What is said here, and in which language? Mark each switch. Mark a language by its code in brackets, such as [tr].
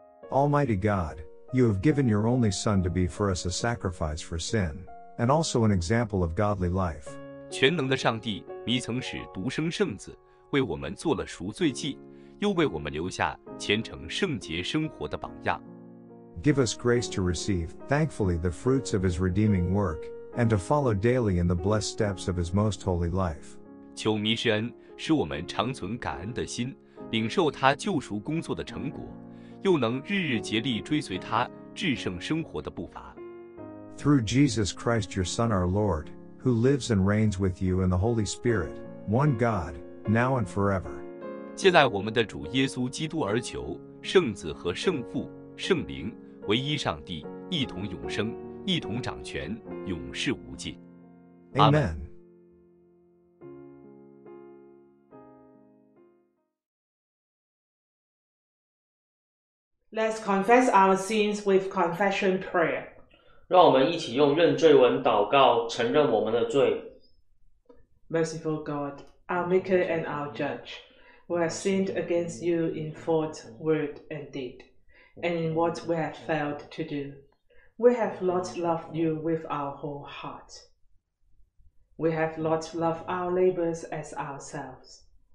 [en] Almighty God, you have given your only Son to be for us a sacrifice for sin, and also an example of godly life. [zh] 全能的上帝，你曾使独生圣子为我们做了赎罪祭，又为我们留下虔诚圣洁生活的榜样。 [en] Give us grace to receive, thankfully, the fruits of his redeeming work, and to follow daily in the blessed steps of his most holy life. [zh] 求弥施恩，使我们常存感恩的心，领受他救赎工作的成果，又能日日竭力追随他至圣生活的步伐。 [en] Through Jesus Christ, your Son, our Lord, who lives and reigns with you in the Holy Spirit, one God, now and forever. [zh] 借在我们的主耶稣基督而求，圣子和圣父、圣灵，唯一上帝，一同永生，一同掌权，永世无尽。 [en] Amen. Let's confess our sins with confession prayer. [zh] 让我们一起用认罪文祷告，承认我们的罪。 [en] Merciful God, our Maker and our Judge, we have sinned against you in thought, word, and deed, and in what we have failed to do. We have not loved you with our whole heart. We have not loved our neighbors as ourselves.